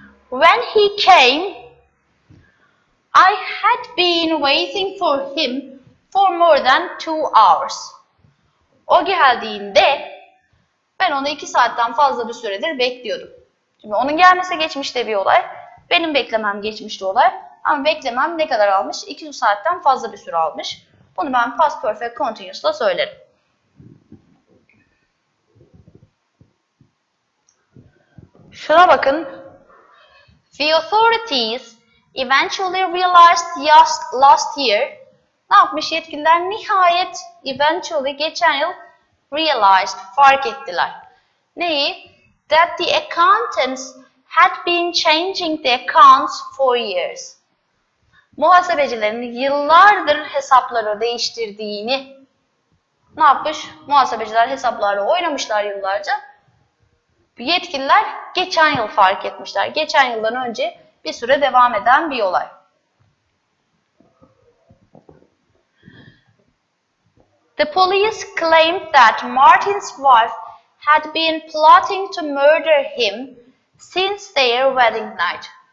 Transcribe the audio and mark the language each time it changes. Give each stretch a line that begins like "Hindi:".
English: When he came, I had been waiting for him for more than 2 hours.
Turkish: O geldiğinde ben onu 2 saatten fazla bir süredir bekliyordum. Şimdi onun gelmesi geçmişte bir olay, benim beklemem geçmişte olay. Ama beklemem ne kadar almış? 2 saatten fazla bir süre almış. Bunu ben past perfect continuous'la söylerim. Şuna bakın.
English: The authorities eventually realized last year.
Turkish: Ne yapmış yetkililer? Nihayet eventually geçen yıl realized, fark ettiler. Neyi?
English: That the accountants had been changing the accounts for years.
Turkish: Muhasebecilerin yıllardır hesapları değiştirdiğini ne yapmış? Muhasebeciler hesaplarla oynamışlar yıllarca. Yetkililer geçen yıl fark etmişler. Geçen yıldan önce bir süre devam eden bir olay.
English: The police claimed that Martin's wife had been plotting to murder him since their wedding night.